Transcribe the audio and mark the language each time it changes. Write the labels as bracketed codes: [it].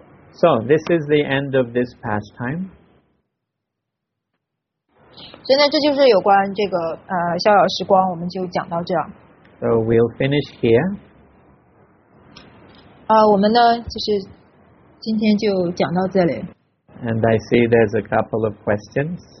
[en] So this is the end of this pastime. [zh] 所以呢，这就是有关这个逍遥时光，我们就讲到这儿。 [en] So we'll finish here. [zh] 我们呢就是今天就讲到这里。 [en] And I see there's a couple of questions.